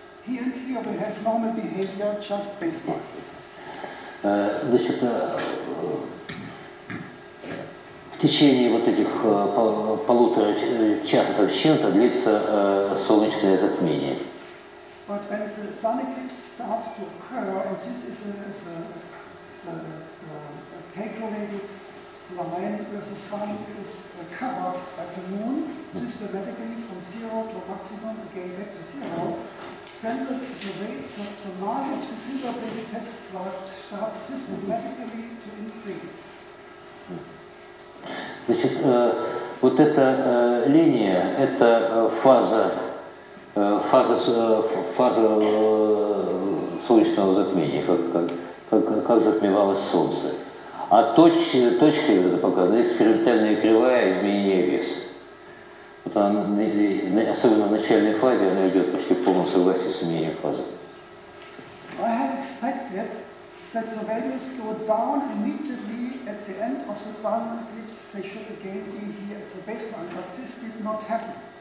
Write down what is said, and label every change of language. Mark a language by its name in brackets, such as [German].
[English] Here and here we have normal behavior, just baseline. [Russian] Значит, в течение вот этих полутора часов с чем-то длится солнечное затмение. [English] But when the sun eclipse starts to occur, and this is a calculated line where the sun is covered as a moon, systematically from zero to maximum, again back to zero, then the mass of the silver plate test plate starts systematically to increase. [Russian] Значит, вот эта линия – это фаза солнечного затмения, как затмевалось Солнце. А точка, это показано, экспериментальная кривая изменения веса. Вот она, особенно в начальной фазе, она идет почти в полном согласии с изменением фазы. [English] I had expected that the values go down immediately at the end of the sun eclipse, they should again be here at the baseline, but this did not happen.